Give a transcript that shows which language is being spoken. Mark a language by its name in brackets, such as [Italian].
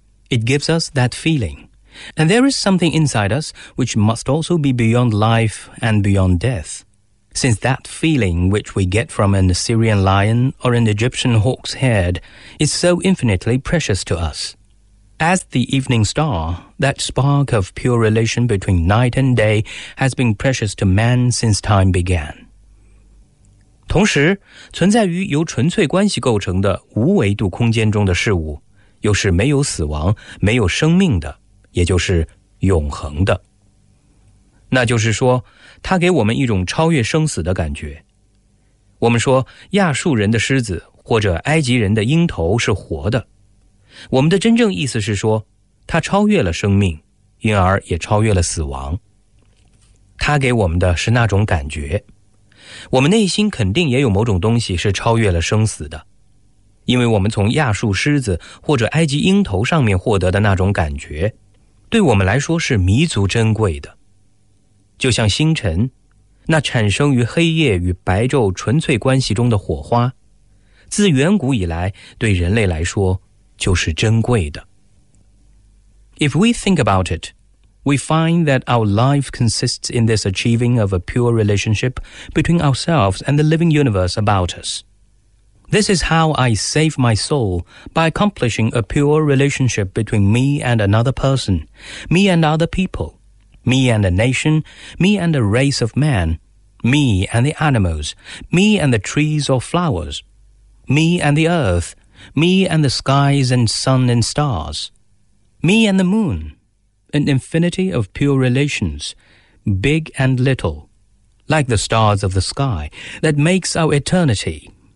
[English] It gives us that feeling. And there is something inside us which must also be beyond life and beyond death, since that feeling which we get from an Assyrian lion or an Egyptian hawk's head is so infinitely precious to us. As the evening star, that spark of pure relation between night and day has been precious to man since time began. [Chinese] 同时，存在于由纯粹关系构成的无维度空间中的事物，又是没有死亡、没有生命的，也就是永恒的。那就是说，它给我们一种超越生死的感觉。我们说，亚述人的狮子或者埃及人的鹰头是活的。我们的真正意思是说，它超越了生命，因而也超越了死亡。它给我们的是那种感觉。我们内心肯定也有某种东西是超越了生死的，因为我们从亚述狮子或者埃及鹰头上面获得的那种感觉，对我们来说是弥足珍贵的。就像星辰，那产生于黑夜与白昼纯粹关系中的火花，自远古以来对人类来说就是珍贵的。 [English] If we think about it, we find that our life consists in this achieving of a pure relationship between ourselves and the living universe about us. This is how I save my soul by accomplishing a pure relationship between me and another person, me and other people, me and a nation, me and a race of man, me and the animals, me and the trees or flowers, me and the earth,Me and the skies and sun and stars, me and the moon, an infinity of pure relations, big and little, like the stars of the sky, that makes our eternity.